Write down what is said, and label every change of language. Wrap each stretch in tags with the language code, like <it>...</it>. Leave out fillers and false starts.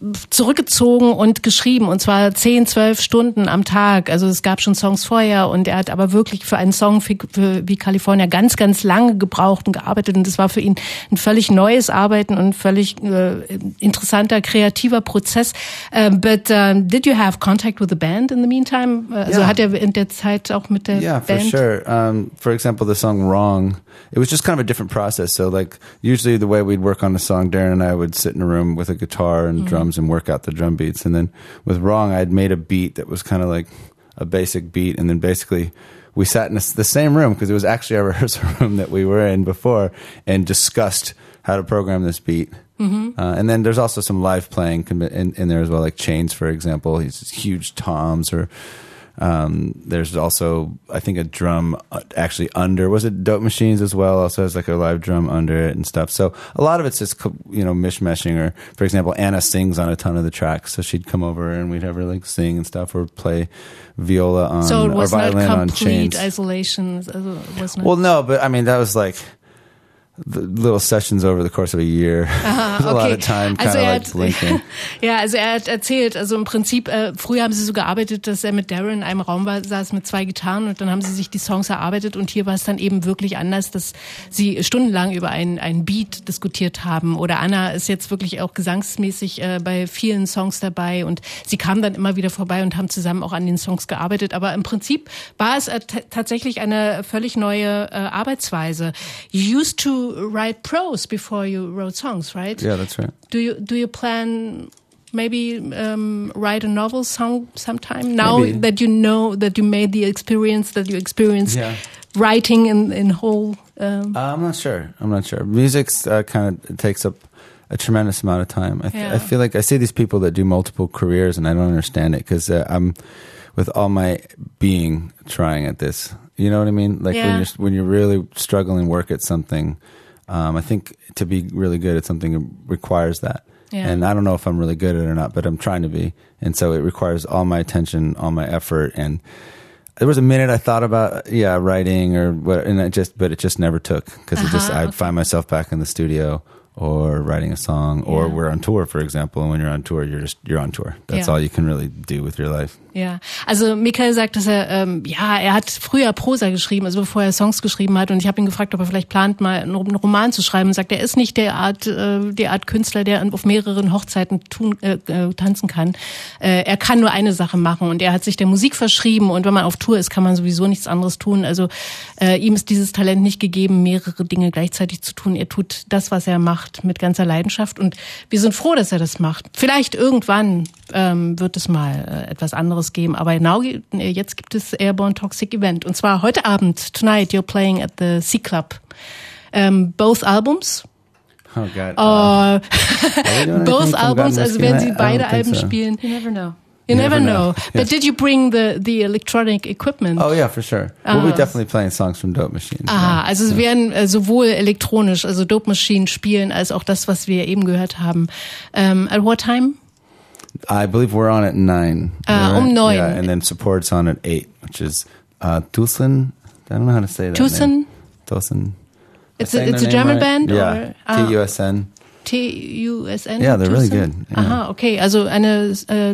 <de>zurückgezogen und geschrieben, und zwar 10-12 Stunden am Tag. Also es gab schon Songs vorher, und er hat aber wirklich für einen Song wie California ganz, ganz lange gebraucht und gearbeitet, und das war für ihn ein völlig neues Arbeiten und völlig interessanter, kreativer Prozess.</de> <en>Did you have contact with the band in the meantime?</en> <de>Also hat er in der Zeit auch mit der Band?</de> <en>Yeah, for sure. For example, the song Wrong, it was just kind of a different process. So like, usually the way we'd work on a song, Darren and I would sit in a room with a guitar and drums and work out the drum beats. And then with Wrong, I'd made a beat that was kind of like a basic beat. And then basically we sat in the same room, because it was actually our rehearsal room that we were in before, and discussed how to program this beat. And then there's also some live playing in there as well, like Chains, for example. He's huge toms, or there's also, I think, a drum actually under, was it Dope Machines as well, also has like a live drum under it and stuff. So a lot of it's just, you know, mishmashing. Or for example, Anna sings on a ton of the tracks, so she'd come over and we'd have her like sing and stuff, or play viola on, or violin on Chains. So it was not complete isolation, wasn't it? Well, no, but I mean, that was like the little sessions over the course of a year. A lot of time, kind of like blinking.</en> <de>Ja, also er hat erzählt, also im Prinzip, früher haben sie so gearbeitet, dass er mit Darren in einem Raum war, saß mit zwei Gitarren, und dann haben sie sich die Songs erarbeitet, und hier war es dann eben wirklich anders, dass sie stundenlang über einen Beat diskutiert haben. Oder Anna ist jetzt wirklich auch gesangsmäßig bei vielen Songs dabei, und sie kam dann immer wieder vorbei und haben zusammen auch an den Songs gearbeitet. Aber im Prinzip war es tatsächlich eine völlig neue Arbeitsweise.</de> <en>You used to write prose before you wrote songs, right? Yeah, that's right. Do you plan maybe write a novel song sometime now, maybe, that you know that you made the experience that you experienced writing in whole? I'm not sure. Music's kind of takes up a tremendous amount of time. I feel like I see these people that do multiple careers, and I don't understand it, because I'm with all my being trying at this. You know what I mean? Like, when you're really struggling, work at something, I think to be really good at something requires that. Yeah. And I don't know if I'm really good at it or not, but I'm trying to be. And so it requires all my attention, all my effort. And there was a minute I thought about, writing or what, and it just never took, because I'd find myself back in the studio or writing a song, or we're on tour, for example. And when you're on tour, you're on tour. That's all you can really do with your life.</en> <de>Ja, also Michael sagt, dass er hat früher Prosa geschrieben, also bevor er Songs geschrieben hat. Und ich habe ihn gefragt, ob er vielleicht plant, mal einen Roman zu schreiben. Und sagt, er ist nicht der Art Künstler, der auf mehreren Hochzeiten tanzen kann. Er kann nur eine Sache machen, und er hat sich der Musik verschrieben. Und wenn man auf Tour ist, kann man sowieso nichts anderes tun. Also ihm ist dieses Talent nicht gegeben, mehrere Dinge gleichzeitig zu tun. Er tut das, was er macht, mit ganzer Leidenschaft. Und wir sind froh, dass er das macht. Vielleicht irgendwann wird es mal etwas anderes geben, aber jetzt gibt es Airborne Toxic Event, und zwar heute Abend.</de> <en>Tonight you're playing at the C Club. Both albums. Oh God. Both albums.</en> <de>Also werden Sie beide Alben spielen?</de> <en>You never know. You never know. Yes. But did you bring the electronic equipment? Oh yeah, for sure. We'll be definitely playing songs from Dope Machine.</en> <de>Sie werden sowohl elektronisch, also Dope Machine, spielen, als auch das, was wir eben gehört haben.</de> <en>At what time? I believe we're on at 9.</en> <de>Neun.</de> <en>Yeah, and then support's on at 8, which is Tusen. I don't know how to say that. Tusen? Name. Tusen. It's a German band? Yeah. Or, T-U-S-N. T-U-S-N? Yeah, they're really good. Yeah. Okay. Also, and a</en>